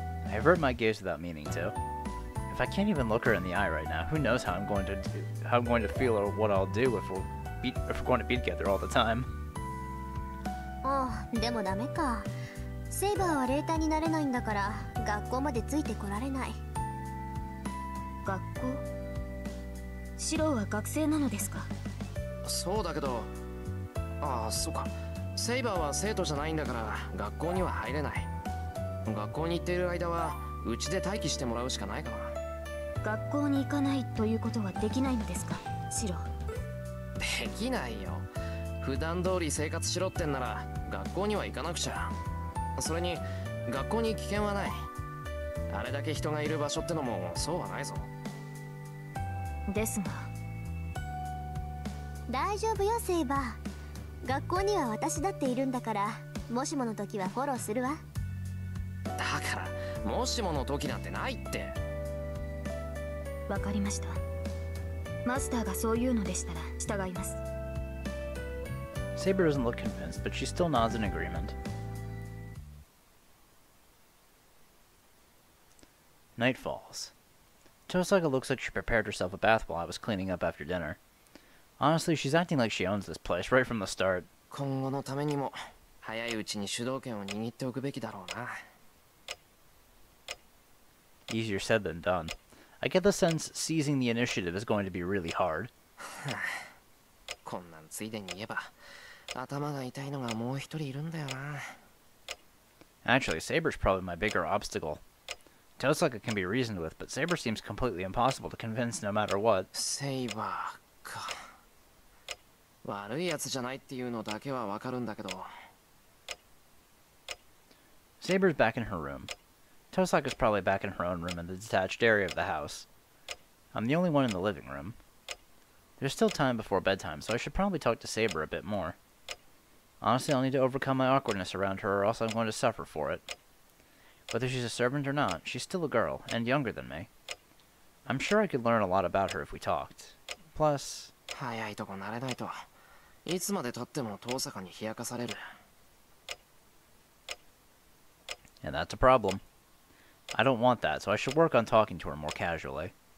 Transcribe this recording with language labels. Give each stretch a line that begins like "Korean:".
English: I avert my gaze without meaning to. If I can't even look her in the eye right now, who knows how I'm going to do, how I'm going to feel or what I'll do if we'll be, if we're going to be together all the time.
Japanese: Oh, demo dame ka. セイバーは霊体になれないんだから学校までついてこられない。学校？シローは学生なのですか？そうだけど。ああそうか、セイバーは生徒じゃないんだから学校には入れない。学校に行っている間はうちで待機してもらうしかないかな。学校に行かないということはできないのですか、シロー？できないよ。普段通り生活しろってんなら学校には行かなくちゃ。それに学校に危険はない。あれだけ人がいる場所ってのもそうはないぞ。ですが。大丈夫よセイバー、学校には私だっているんだから、もしもの時はフォローするわ。だからもしもの時なんてないって。わかりました、マスターがそう言うのでしたら従います。
English: Saber doesn't look convinced, but she still nods in agreement. Night falls. Tosaka looks like she prepared herself a bath while I was cleaning up after dinner. Honestly, she's acting like she owns this place right from the start.
Japanese: 今後のためにも早いうちに主導権を握っておくべきだろうな。
English: Easier said than done. I get the sense seizing the initiative is going to be really hard.
Japanese: こんなんついでに言えば、頭が痛いのがもう一人いるんだよな。
English: Actually, Saber's probably my bigger obstacle. Tosaka can be reasoned with, but Saber seems completely impossible to convince no matter what.
Japanese: Saber か。悪いやつじゃないっていうのだけはわかるんだけど。
English: Saber's back in her room. Tosaka's probably back in her own room in the detached area of the house. I'm the only one in the living room. There's still time before bedtime, so I should probably talk to Saber a bit more. Honestly, I'll need to overcome my awkwardness around her, or else I'm going to suffer for it. Whether she's a servant or not, she's still a girl, and younger than me. I'm sure I could learn a lot about her if we talked. Plus...
Japanese: 早いとこ慣れないと、いつまで経っても Tosaka に冷やかされる。
English: And that's a problem. I don't want that, so I should work on talking to her more casually.